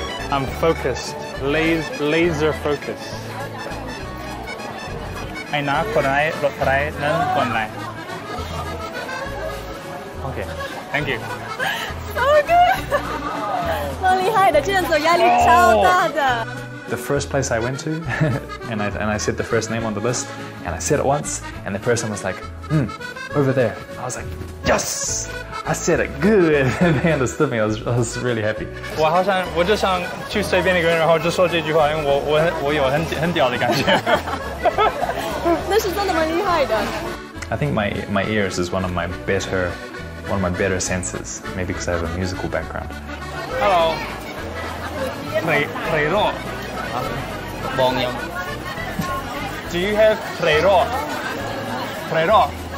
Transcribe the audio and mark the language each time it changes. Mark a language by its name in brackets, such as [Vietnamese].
[English] ？I'm focused, laser focus. [Chinese] 哎，拿过来，拿过来，能过来。好OK， [English] Thank you。 [Chinese] 好酷，好厉害的，这样走压力超大的。 [English] The first place I went to, and I said the first name on the list, and I said it once, and the person was like, over there. I was like, yes, I said it good, and they understood me. I was really happy. [Chinese] 我好像我就想去随便一个人，然后就说这句话，因为我有很屌的感觉。那是真的蛮厉害的。 [English] I think my ears is one of my better senses, maybe because I have a musical background. Hello, Rayro. Bong Yong. Do you have Freiro? Freiro?